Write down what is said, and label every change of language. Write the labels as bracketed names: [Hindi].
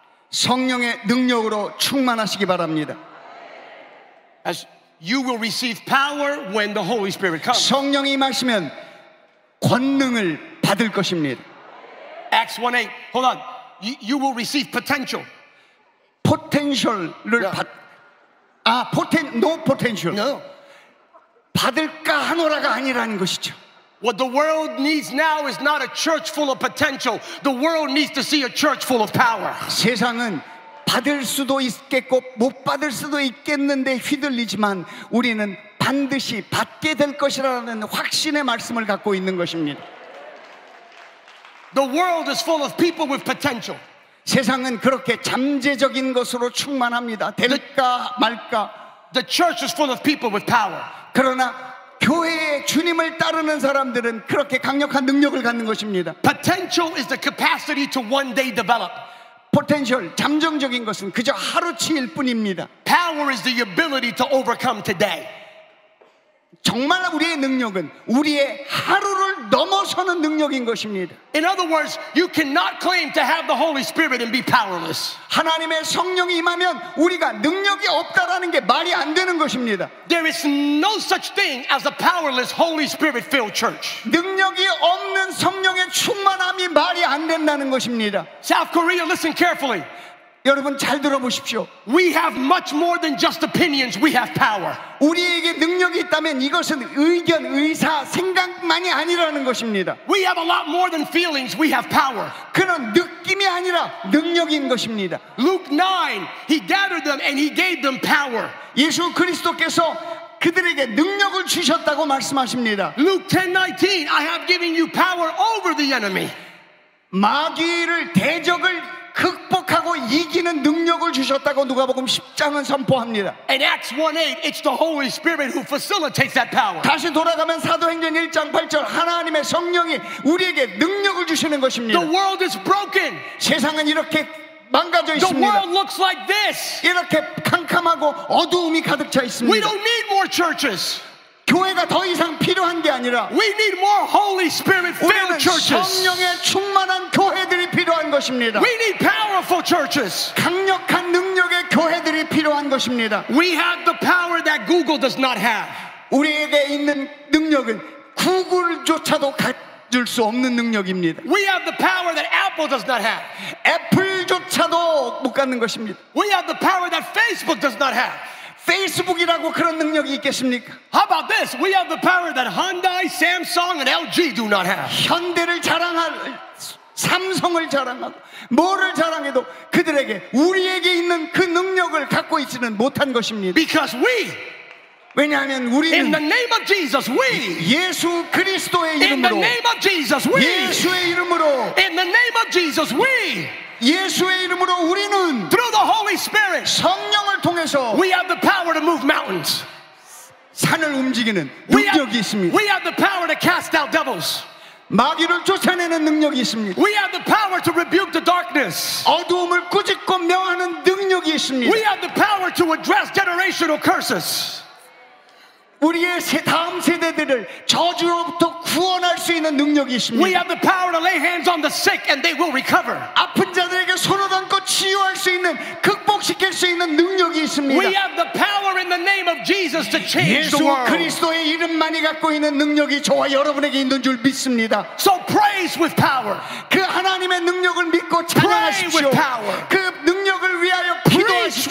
[Korean] 성령의 능력으로 충만하시기 바랍니다. [English] As you will receive power when the Holy Spirit comes. [Korean] 성령이 임하시면 권능을 받을 것입니다. [English] Acts 1:8. Hold on. You will receive potential. Potential를 yeah. no potential. No. [Korean] 받을까 하노라가 아니라는 것이죠. [English] What the world needs now is not a church full of potential. The world needs to see a church full of power. [Korean] 세상은 받을 수도 있겠고 못 받을 수도 있겠는데 휘둘리지만 우리는 반드시 받게 될 것이라는 확신의 말씀을 갖고 있는 것입니다. [English] The world is full of people with potential. [Korean] 세상은 그렇게 잠재적인 것으로 충만합니다. 될까 말까. [English] The church is full of people with power. [Korean] 그러나 교회의 주님을 따르는 사람들은 그렇게 강력한 능력을 갖는 것입니다. [English] Potential is the capacity to one day develop. [Korean] Potential, 잠정적인 것은 그저 하루치일 뿐입니다. [English] Power is the ability to overcome today. [Korean] 정말 우리의 능력은 우리의 하루를 넘어서는 능력인 것입니다. [English] In other words, you cannot claim to have the Holy Spirit and be powerless. [Korean] 하나님의 성령이 임하면 우리가 능력이 없다라는 게 말이 안 되는 것입니다. [English] There is no such thing as a powerless Holy Spirit filled church. [Korean] 능력이 없는 성령의 충만함이 말이 안 된다는 것입니다. [English] South Korea, listen carefully. [Korean] 여러분 잘 들어보십시오. [English] We have much more than just opinions. We have power. [Korean] 우리에게 능력이 있다면 이것은 의견, 의사, 생각만이 아니라는 것입니다. [English] We have a lot more than feelings. We have power. [Korean] 그는 느낌이 아니라 능력인 것입니다. [English] Luke 9, he gathered them and he gave them power. [Korean] 예수 그리스도께서 그들에게 능력을 주셨다고 말씀하십니다. [English] Luke 10:19, I have given you power over the enemy. [Korean] 마귀를 대적을 극복하고 이기는 능력을 주셨다고 누가복음 10장은 선포합니다. [English] In Acts 1:8, it's the Holy Spirit who facilitates that power. [Korean] 다시 돌아가면 사도행전 1장 8절 하나님의 성령이 우리에게 능력을 주시는 것입니다. [English] The world is broken. [Korean] 세상은 이렇게 망가져 있습니다. [English] The world looks like this. [Korean] 이렇게 캄캄하고 어두움이 가득 차 있습니다. [English] We don't need more churches. [Korean] 교회가 더 이상 필요한 게 아니라 [English] We need more Holy Spirit-filled churches. [Korean] 우리는 성령에 충만한 교회들이 필요한 것입니다. [English] We need powerful churches. [Korean] 강력한 능력의 교회들이 필요한 것입니다. [English] We have the power that Google does not have. [Korean] 우리에게 있는 능력은 구글조차도 줄 수 없는 능력입니다. [English] We have the power that Apple does not have. [Korean] 애플조차도 못 갖는 것입니다. [English] We have the power that Facebook does not have. [Korean] 페이스북이라고 그런 능력이 있겠습니까? [English] How about this? We have the power that Hyundai, Samsung and LG do not have. [Korean] 현대를 자랑할 삼성을 자랑하고 뭐를 자랑해도 그들에게 우리에게 있는 그 능력을 갖고 있지는 못한 것입니다. [English] Because we [Korean] 왜냐하면 우리는 [English] In the name of Jesus, we. [Korean] 예수 그리스도의 이름으로 [English] In the name of Jesus, we. [Korean] 예수의 이름으로 [English] In the name of Jesus, we. [Korean] 예수의 이름으로 우리는 [English] Through the Holy Spirit, [Korean] 성령을 통해서 [English] we have the power to move mountains. [Korean] 산을 움직이는 능력이 있습니다. [English] We have the power to cast out devils. [Korean] 마귀를 쫓아내는 능력이 있습니다. [English] We have the power to rebuke the darkness. [Korean] 어두움을 꾸짖고 명하는 능력이 있습니다. [English] We have the power to address generational curses. [Korean] 우리의 다음 세대들을 저주로부터 구원할 수 있는 능력이 있습니다. [English] We have the power to lay hands on the sick and they will recover. [Korean] 아픈 자들에게 손을 얹고 치유할 수 있는 극복시킬 수 있는 능력이 있습니다. [English] We have the power in the name of Jesus to change the world. [Korean] 예수 그리스도의 이름만이 갖고 있는 능력이 저와 여러분에게 있는 줄 믿습니다. [English] So praise with power. [Korean] 그 하나님의 능력을 믿고 찬양하십시오. [English] Pray with power. [Korean] 그 능력을 위하여 기도하십시오.